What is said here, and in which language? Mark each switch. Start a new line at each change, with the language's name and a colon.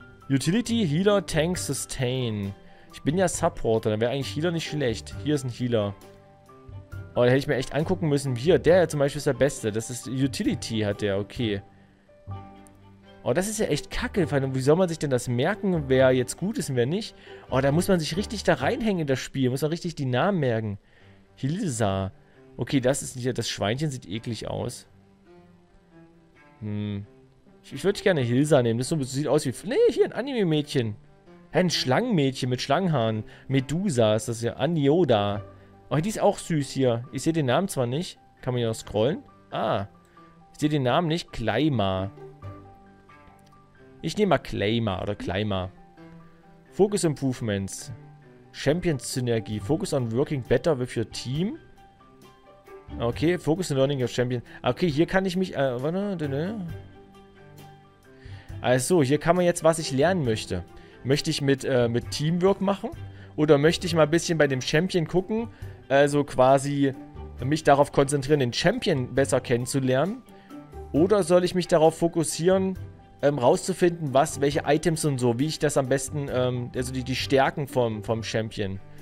English: Utility, Healer, Tank, Sustain.
German: Ich bin ja Supporter. Dann wäre eigentlich Healer nicht schlecht. Hier ist ein Healer. Oh, da hätte ich mir echt angucken müssen. Hier, der zum Beispiel ist der Beste. Das ist Utility hat der. Okay. Oh, das ist ja echt kacke. Wie soll man sich denn das merken, wer jetzt gut ist und wer nicht? Oh, da muss man sich richtig da reinhängen in das Spiel. Muss man richtig die Namen merken. Hilsa. Okay, das ist nicht... Das Schweinchen sieht eklig aus. Hm. Ich würde gerne Hilsa nehmen. Das so, sieht aus wie... Nee, hier ein Anime-Mädchen. Ein Schlangenmädchen mit Schlangenhaarn. Medusa ist das ja. Anioda. Oh, die ist auch süß hier. Ich sehe den Namen zwar nicht. Kann man hier noch scrollen? Ah. Ich sehe den Namen nicht. Kleima. Ich nehme mal Kleima oder Kleimer.
English: Focus Improvements. Champions Synergie. Focus on working better with your team. Okay, focus on learning your champion.
German: Okay, hier kann ich mich... warte. Also, hier kann man jetzt, was ich lernen möchte. Möchte ich mit Teamwork machen? Oder möchte ich mal ein bisschen bei dem Champion gucken? Also quasi mich darauf konzentrieren, den Champion besser kennenzulernen? Oder soll ich mich darauf fokussieren... rauszufinden, was, welche Items und so, wie ich das am besten, also die Stärken vom Champion.